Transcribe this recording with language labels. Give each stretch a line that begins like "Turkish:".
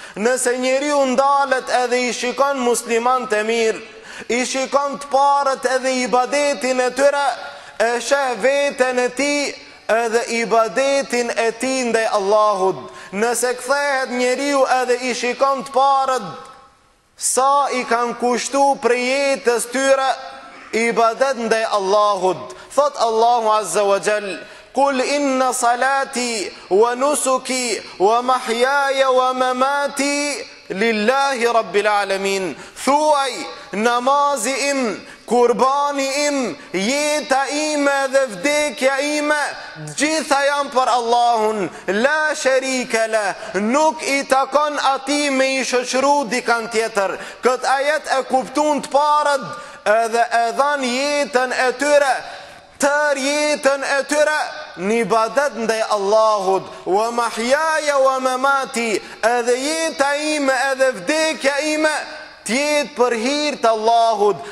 Albanian: Nëse njeri u ndalet edhe i shikon musliman të mirë, i shikon të parët edhe i badetin e tyre, e sheh vetën e ti edhe i badetin e ti ndaj Allahut. Nëse kthehet njeri u edhe i shikon të parët, sa i kanë kushtu për jetës tyre i badet ndaj Allahut. Thot
Arabic: Allahu Azza wa Jall, قل إن صلاتي ونسكي ومحياي ومماتي لله رب العالمين.
Albanian: ثوي نمازي إم kurbani im, jeta ime dhe vdekja ime, gjitha janë për Allahun,
Arabic: la sherikele,
Albanian: nuk i takon ati me i shoqëru dikan tjetër. Këtë ajet e kuptun të parët edhe e dhan jetën e tyre, tër jetën e tyre, një badet ndaj Allahut,
Arabic: wa mahjaja wa mamati,
Albanian: edhe jeta ime edhe vdekja ime, tjetë për hirë të Allahut.